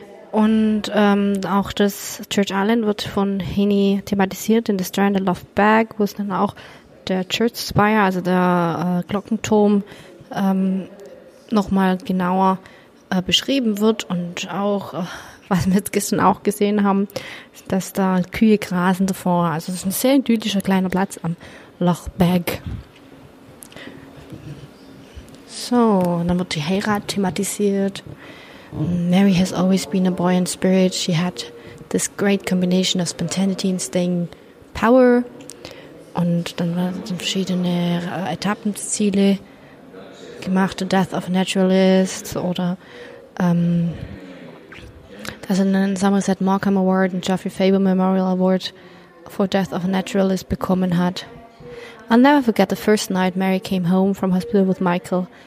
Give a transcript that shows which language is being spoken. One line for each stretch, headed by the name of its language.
German: Und auch das Church Island wird von Heaney thematisiert in The Stranded Love Bag, wo es dann auch der Church Spire, also der Glockenturm, nochmal genauer beschrieben wird und auch, was wir jetzt gestern auch gesehen haben, dass da Kühe grasen davor. Also es ist ein sehr idyllischer kleiner Platz am Loch Bag. So, dann wird die Heirat thematisiert.
English: Mary has always been a buoyant spirit. She had this great combination of spontaneity and staying power.
German: Und dann werden verschiedene Etappenziele gemacht, the death of a naturalist oder dass er einen Somerset Maugham Award und Geoffrey Faber Memorial Award for death of a naturalist bekommen hat.
English: I'll never forget the first night Mary came home from hospital with Michael.